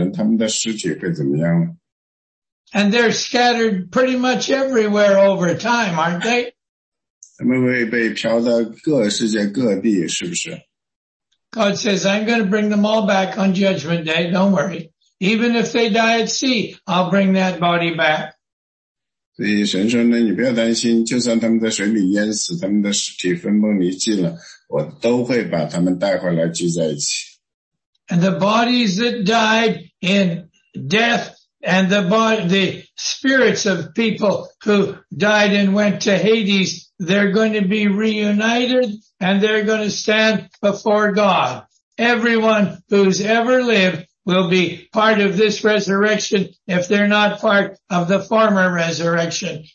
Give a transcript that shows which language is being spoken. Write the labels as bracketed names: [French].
[Chinese] 那么那些在海里淹死的人，他们的尸体会怎么样呢？ [English] And they're scattered pretty much everywhere over time, aren't they? [Chinese] 他们会被飘到各世界各地，是不是？ [English] God says, I'm going to bring them all back on Judgment Day, don't worry. Even if they die at sea, I'll bring that body back. [Chinese] 所以神说呢，你不要担心，就算他们在水里淹死，他们的尸体分崩离析了，我都会把他们带回来聚在一起。 [English] And the bodies that died in death and the body, the spirits of people who died and went to Hades, they're going to be reunited and they're going to stand before God. Everyone who's ever lived will be part of this resurrection if they're not part of the former resurrection.